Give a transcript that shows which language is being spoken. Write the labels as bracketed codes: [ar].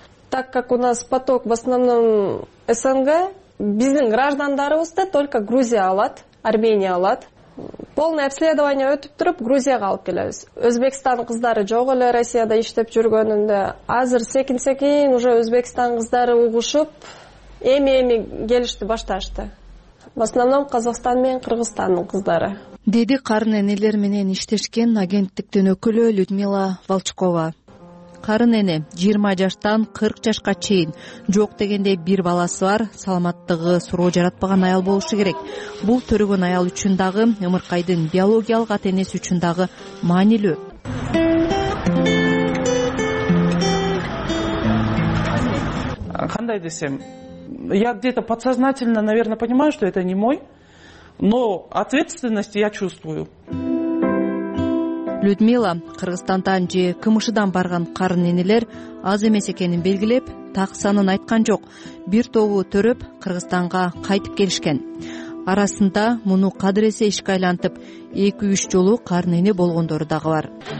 [ru] Так как у нас поток в основном СНГ, [ky] биздин граждандарыбызды [ru] только Грузия [ky] алат, [ru] Армения алат. Полное обследование [ky] өтүп туруп, Грузияга алып келебиз. Өзбекстан кыздары жок эле Россияда иштеп жүргөнүндө, азыр секин-секин [ru] уже [ky] Өзбекстан кыздары угушуп, эми-эми келишти башташты. [ru] В основном [ky] Казахстан менен Кыргызстандын кыздары. Деди карын энелер менен иштешкен агенттиктин өкүлү Людмила Волчкова. Карын эне 20 жаштан 40 жашка чейин жок дегенде бир баласы бар, саламаттыгы суроо жаратпаган аял болушу керек. Бул төрөгөн аял үчүн дагы, ымыркайдын биологиялык ата энеси үчүн дагы маанилүү. Кандай десем, [ru] я где-то подсознательно, наверное, понимаю, что это не мой, но ответственность я чувствую. [ky] Людмила Кыргызстандан же КМШдан барган карын энелер аз эмес экенин белгилеп, так санын айткан жок. Бир тобу төрөп Кыргызстанга кайтып келишкен. Арасында муну кадыресе ишке айлантып, 2-3 жолу карын эне болгондору дагы бар.